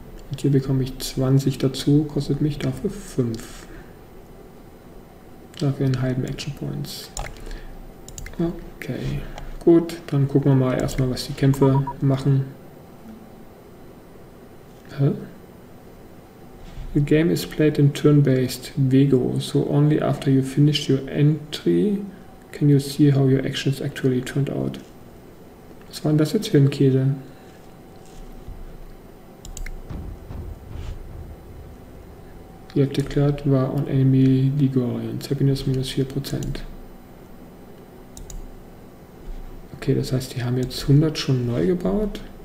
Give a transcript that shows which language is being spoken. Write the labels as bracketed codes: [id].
[de] Und hier bekomme ich 20 dazu, kostet mich dafür 5. Dafür einen halben Action Points. Okay, gut, dann gucken wir mal erstmal, was die Kämpfe machen. Hä? [en] The game is played in turn-based Vego, so only after you finished your entry can you see how your actions actually turned out. [de] Was war denn das jetzt für ein Käse? [en] You have declared war on enemy Ligurians. Happiness minus 4%. [de] Okay, das heißt, die haben jetzt 100 schon neu gebaut.